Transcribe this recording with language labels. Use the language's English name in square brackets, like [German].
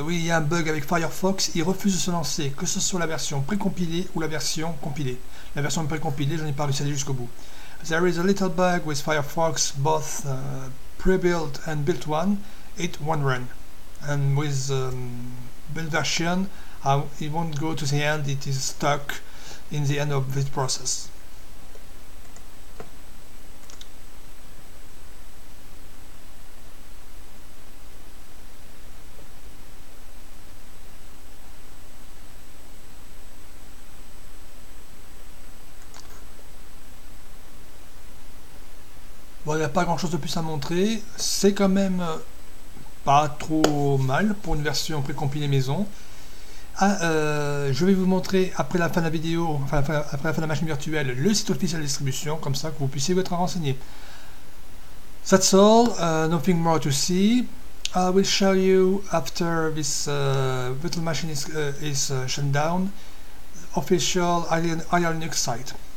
[French] oui, il y a un bug avec Firefox, il refuse de se lancer, que ce soit la version précompilée ou la version compilée. La version précompilée, je n'ai pas réussi à aller jusqu'au bout. [English] There is a little bug with Firefox, both pre-built and built one, it won't run. And with build version, it won't go to the end, it is stuck in the end of this process. [French] Bon, il n'y a pas grand chose de plus à montrer, c'est quand même pas trop mal pour une version précompilée maison. Je vais vous montrer après la fin de la vidéo, après la fin de la machine virtuelle, le site officiel de distribution, comme ça que vous puissiez vous être renseigné. [English] That's all, nothing more to see. I will show you after this virtual machine is shut down, official Aryalinux site.